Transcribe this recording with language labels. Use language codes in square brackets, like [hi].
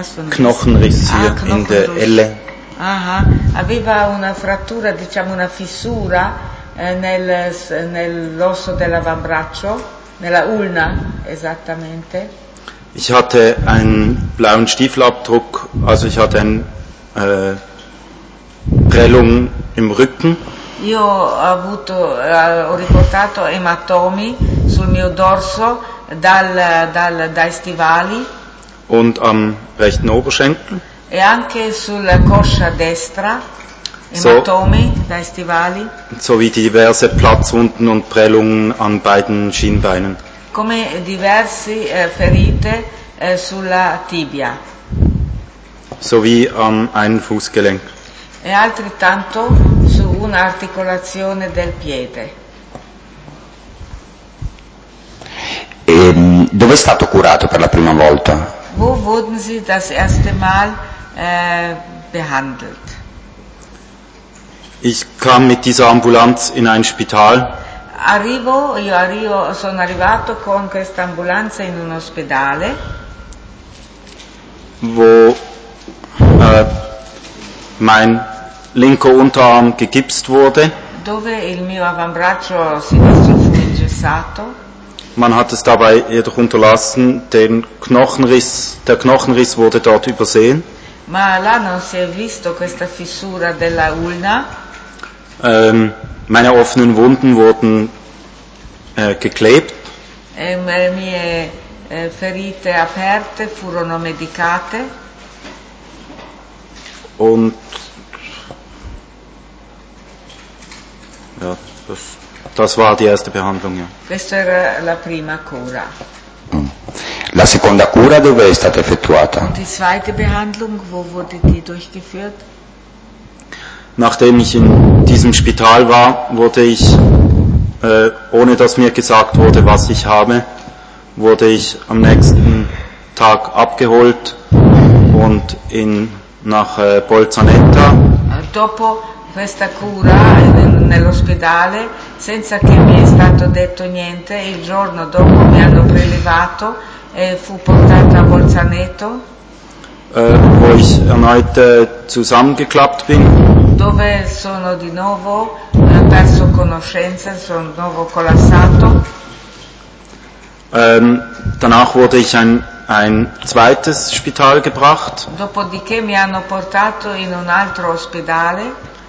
[de] Knochenriss hier in der Elle. [it] Aha, aveva una frattura, diciamo una fissura nell'osso dell'avambraccio, nella ulna esattamente. [de] Ich hatte einen blauen Stiefelabdruck, also ich hatte eine Prellung im Rücken. [it] Io ho riportato ematomi sul mio dorso dai stivali. [de] Und am rechten Oberschenkel. [it] E anche sulla coscia destra. Ematomi, dai stivali. [de] So wie diverse Platzwunden und Prellungen an beiden Schienbeinen. [it] Come diverse ferite sulla tibia. [de] So wie am einen Fußgelenk. [it] E altrettanto su un'articolazione del piede. E dove è stato curato per la prima volta? [de] Wo wurden Sie das erste Mal behandelt? Ich kam mit dieser Ambulanz in ein Spital. [it] Sono arrivato con questa ambulanza in un ospedale. [de] Wo mein linker Unterarm gegipst wurde. [it] Dove il mio avambraccio sinistro fu ingessato. [de] Man hat es dabei jedoch unterlassen, den Knochenriss, der Knochenriss wurde dort übersehen. [it] Ma là non si è visto questa fissura della ulna. [de] Meine offenen Wunden wurden geklebt. [it] Mie ferite aperte furono medicate. [de] Und ja, das war die erste Behandlung, ja. [it] Questa era la prima cura. La seconda cura dove è stata effettuata? [de] Die zweite Behandlung, wo wurde die durchgeführt? Nachdem ich in diesem Spital war, wurde ich, ohne dass mir gesagt wurde, was ich habe, wurde ich am nächsten Tag abgeholt und nach Bolzaneto. [it] Dopo questa cura nell'ospedale, senza che mi è stato detto niente, il giorno dopo mi hanno prelevato e fu portato a Bolzaneto. [de] Wo ich erneut zusammengeklappt bin. [it] Dove sono di nuovo perso conoscenza, sono di nuovo collassato. [de] Danach wurde ich in ein zweites Spital gebracht. [it] Dopodiché mi hanno portato in un altro ospedale.